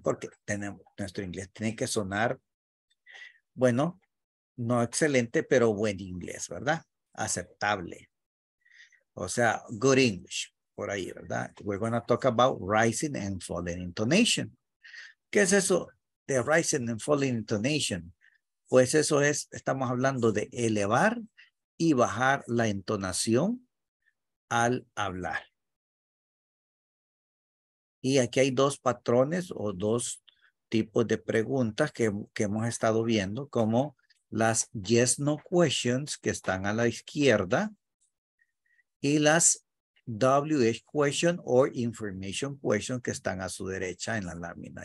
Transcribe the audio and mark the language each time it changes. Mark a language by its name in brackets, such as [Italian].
[Spanish] Porque tenemos, nuestro inglés tiene que sonar, bueno, no excelente, pero buen inglés, ¿verdad? Aceptable. O sea, [English] good English, [Spanish] por ahí, ¿verdad? [English] We're going to talk about rising and falling intonation. [Spanish] ¿Qué es eso de [English] rising and falling intonation? [Spanish] Pues eso es, estamos hablando de elevar y bajar la entonación al hablar. Y aquí hay dos patrones o dos tipos de preguntas que hemos estado viendo, como las [English] yes no questions [Spanish] que están a la izquierda y las [English] WH question or information question [Spanish] que están a su derecha en la lámina.